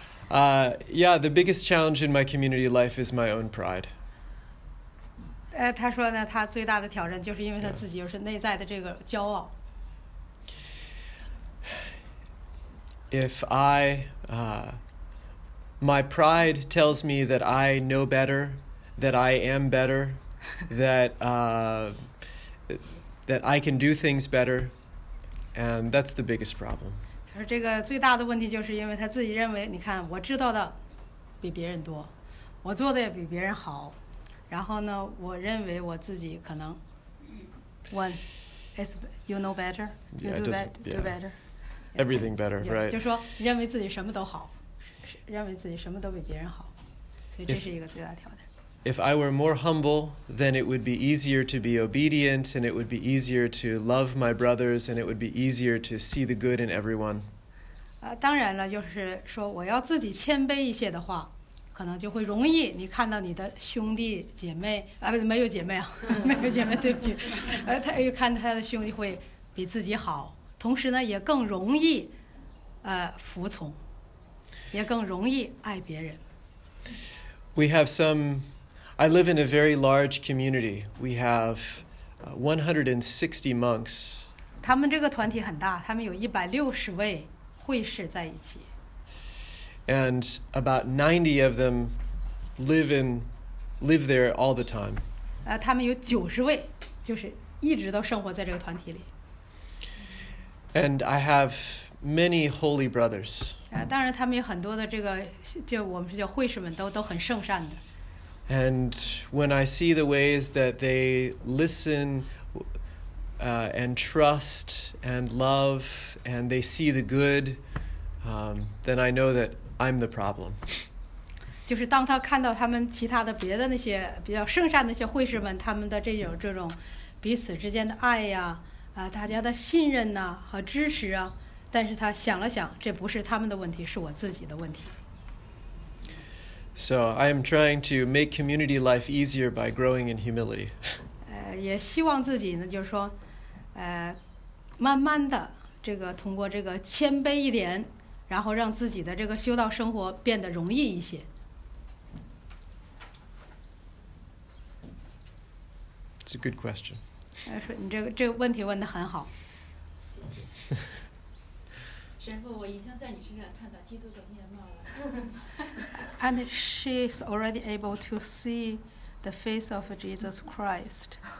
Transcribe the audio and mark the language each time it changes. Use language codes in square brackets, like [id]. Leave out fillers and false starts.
[en] The biggest challenge in my community life is my own pride. [zh] 他说呢，他最大的挑战就是因为他自己又是内在的这个骄傲。 [en] If I, my pride tells me that I know better, that I am better, that I can do things better, and that's the biggest problem. [zh] 他说这个最大的问题就是因为他自己认为，你看我知道的比别人多，我做的也比别人好。然后呢，我认为我自己可能 [en] do better. Everything better, yeah, right? [zh] 就说认为自己什么都好，认为自己什么都比别人好，所以这是一个最大挑战。 [en] If I were more humble, then it would be easier to be obedient, and it would be easier to love my brothers, and it would be easier to see the good in everyone. [zh] 当然了，就是说我要自己谦卑一些的话。可能就会容易你看到你的兄弟姐妹啊，不是没有姐妹啊，没有姐妹，对不起，他又看他的兄弟会比自己好，同时呢也更容易服从，也更容易爱别人。 [en] We have some. I live in a very large community. We have 160 monks. [zh] 他们这个团体很大，他们有160位会士在一起。 [en] And about 90 of them live there all the time. [zh] 他们有90位，就是一直都生活在这个团体里。 [en] And I have many holy brothers. [zh] 当然他们有很多的这个，就我们是叫会士们，都很圣善的。 [en] And when I see the ways that they listen, and trust, and love, and they see the good, then I know that. I'm the problem. [zh] 就是当他看到他们其他的别的那些比较圣善的那些会士们，他们的这种彼此之间的爱呀，大家的信任呐和支持啊，但是他想了想，这不是他们的问题，是我自己的问题。 [en] So I am trying to make community life easier by growing in humility. [zh] 也希望自己呢，就是说，慢慢的这个通过这个谦卑一点，然后让自己的这个修道生活变得容易一些。 [en] It's a good question. [zh] 说你这个问题问得很好。谢谢。神父，我已经在你身上看到基督的面貌了。 [en] And she is already able to see the face of Jesus Christ.